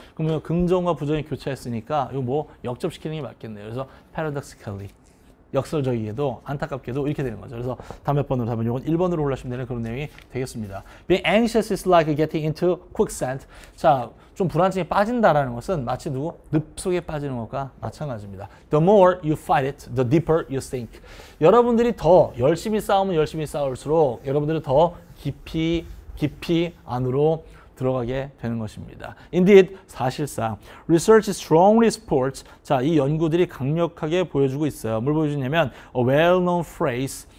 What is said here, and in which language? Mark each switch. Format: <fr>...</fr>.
<ko>그러면 긍정과 부정이 교차했으니까 이거 뭐 역접시키는 게 맞겠네요. 그래서 paradoxically, 역설적이게도 안타깝게도 이렇게 되는 거죠. 그래서 다음 몇 번으로 다음은 이건 1번으로 올라가시면 되는 그런 내용이 되겠습니다.</ko> <en>Being anxious is like getting into quicksand.</en> <ko>자, 좀 불안증에 빠진다라는 것은 마치 누구? 늪 속에 빠지는 것과 마찬가지입니다.</ko> <en>The more you fight it, the deeper you sink.</en> <ko>여러분들이 더 열심히 싸우면 열심히 싸울수록 여러분들은 더 깊이 안으로 들어가게 되는 것입니다.</ko> <en>Indeed,</en> <ko>사실상</ko> <en>research strongly supports.</en> <ko>자, 이 연구들이 강력하게 보여주고 있어요. 뭘 보여주냐면</ko> <en>a well-known phrase.</en>